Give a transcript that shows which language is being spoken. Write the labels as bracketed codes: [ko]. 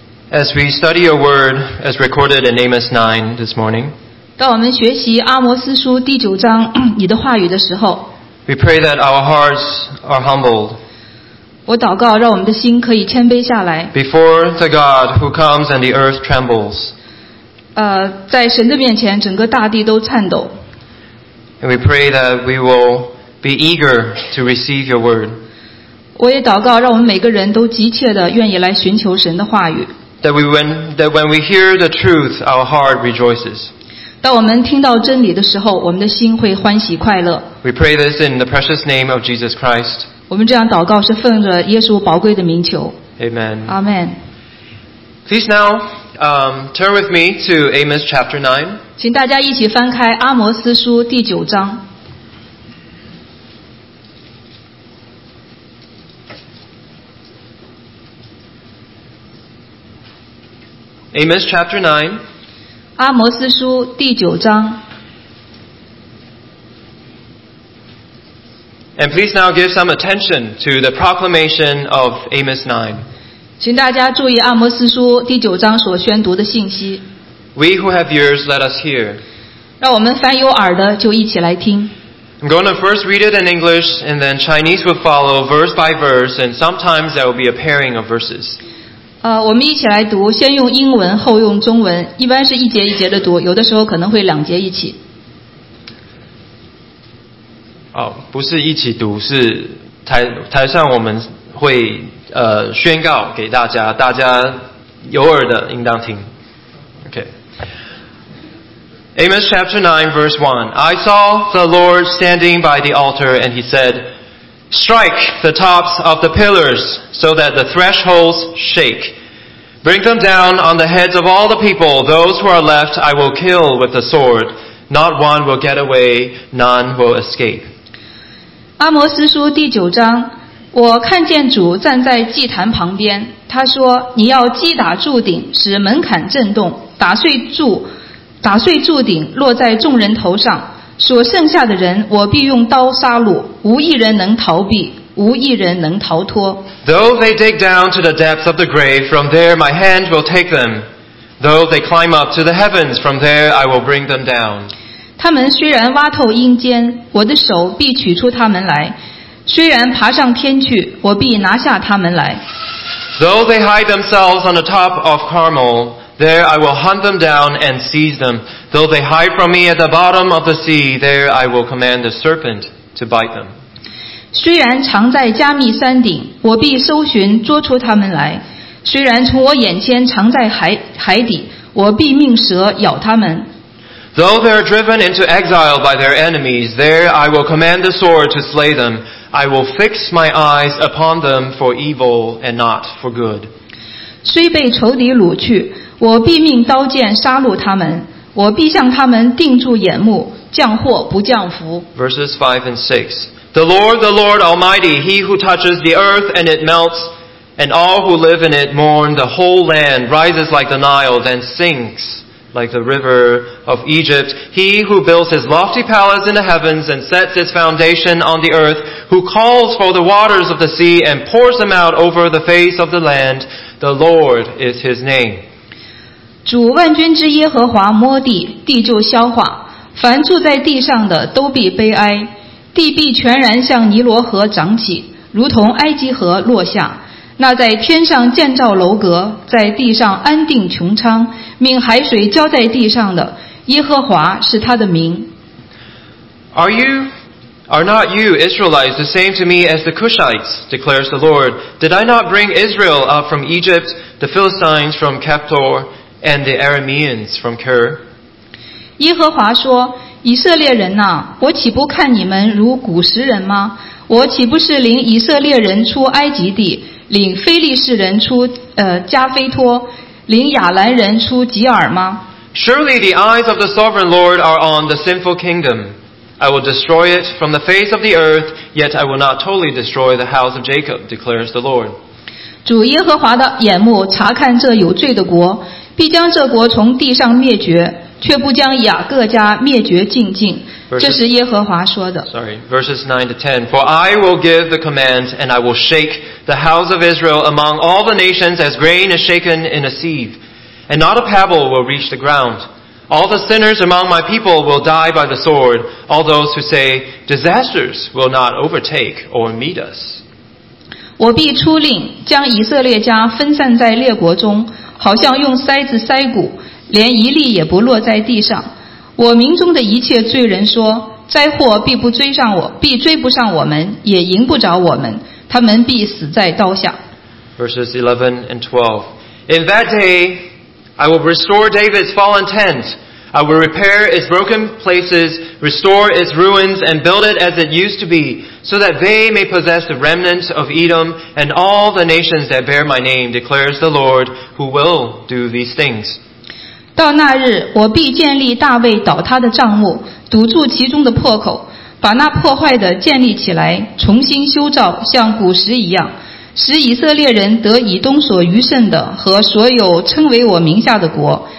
[en] As we study your word, as recorded in Amos 9 this morning, [zh] 当我们学习阿摩斯书第九章你的话语的时候， [en] we pray that our hearts are humbled. [zh] 我祷告让我们的心可以谦卑下来。 [en] Before the God who comes and the earth trembles. [zh] 在神的面前整个大地都颤抖。 [en] And we pray that we will be eager to receive your word. [zh] 我也祷告让我们每个人都急切地愿意来寻求神的话语。 [en] That when we hear the truth, our heart rejoices. [zh] 当我们听到真理的时候，我们的心会欢喜快乐。 [en] We pray this in the precious name of Jesus Christ. [zh] 我们这样祷告是奉着耶稣宝贵的名求。 [en] Amen. Amen. Please now, turn with me to Amos chapter 9. [zh] 请大家一起翻开阿摩斯书第九章。 [en] Amos chapter 9. [zh] 阿摩斯书第九章。 [en] And please now give some attention to the proclamation of Amos 9. [zh] 请大家注意阿摩斯书第九章所宣读的信息。 [en] We who have ears, let us hear. [zh] 让我们凡有耳的就一起来听。 [en] I'm going to first read it in English, and then Chinese will follow verse by verse, and sometimes there will be a pairing of verses. [zh] 我们一起来读，先用英文，后用中文。一般是一节一节的读，有的时候可能会两节一起。哦，不是一起读，是台上我们会宣告给大家，大家有耳的应当听。 [en] Okay. Amos chapter 9 verse 1. I saw the Lord standing by the altar, and he said, Strike the tops of the pillars so that the thresholds shake. Bring them down on the heads of all the people. Those who are left, I will kill with the sword. Not one will get away, none will escape. [zh] 阿摩斯书第九章，我看见主站在祭坛旁边。他说：“你要击打柱顶，使门槛震动，打碎柱顶，落在众人头上。所剩下的人，我必用刀杀戮，无一人能逃避。” 无一人能逃脱。 [en] Though they dig down to the depths of the grave, from there my hand will take them. Though they climb up to the heavens, from there I will bring them down. [zh] 他们虽然挖透阴间，我的手必取出他们来；虽然爬上天去，我必拿下他们来。 [en] Though they hide themselves on the top of Carmel, there I will hunt them down and seize them. Though they hide from me at the bottom of the sea, there I will command the serpent to bite them. [zh] 虽然藏在加密山顶，我必搜寻捉出他们来；虽然从我眼前藏在海底，我必命蛇咬他们。 [en] Though they are driven into exile by their enemies, there I will command the sword to slay them. I will fix my eyes upon them for evil and not for good. [zh] 虽被仇敌掳去，我必命刀剑杀戮他们；我必向他们定住眼目，降祸不降福。 [en] Verses 5 and 6. The Lord, the Lord Almighty, He who touches the earth and it melts, and all who live in it mourn, the whole land rises like the Nile, then sinks like the river of Egypt. He who builds His lofty palace in the heavens and sets His foundation on the earth, who calls for the waters of the sea and pours them out over the face of the land, the Lord is His name. [zh] 主万军之耶和华摸地，地就消化，凡住在地上的都必悲哀。地必全然向尼罗河涨起，如同埃及河落下。那在天上建造楼阁，在地上安定穹苍，命海水浇在地上的，耶和华是他的名。 [en] Are not you Israelites the same to me as the Cushites? Declares the Lord. Did I not bring Israel up from Egypt, the Philistines from Captor, and the Arameans from Kir? [zh] 耶和华说。以色列人啊，我岂不看你们如古时人吗？我岂不是领以色列人出埃及地，领非利士人出加菲托，领亚兰人出吉尔吗？ [en] Surely the eyes of the sovereign Lord are on the sinful kingdom. I will destroy it from the face of the earth, yet I will not totally destroy the house of Jacob, declares the Lord. [zh] 主耶和华的眼目查看这有罪的国，必将这国从地上灭绝。却不将雅各家灭绝尽尽，这是耶和华说的。 [en] Verses 9 to 10. For I will give the command, and I will shake the house of Israel among all the nations as grain is shaken in a sieve, and not a pebble will reach the ground. All the sinners among my people will die by the sword, all those who say, disasters will not overtake or meet us. [zh] 我必出令将以色列家分散在列国中，好像用筛子筛谷，连一粒也不落在地上。我民中的一切罪人说，灾祸必不追上我，必追不上我们，也迎不着我们，他们必死在刀下。 [en] Verses 11 and 12. In that day I will restore David's fallen tent. I will repair its broken places, restore its ruins, and build it as it used to be, so that they may possess the remnant of Edom and all the nations that bear my name, declares the Lord, who will do these things. [zh] 到那日，我必建立大卫倒塌的帐幕，堵住其中的破口，把那破坏的建立起来，重新修造，像古时一样，使以色列人得以东所余剩的和所有称为我名下的国。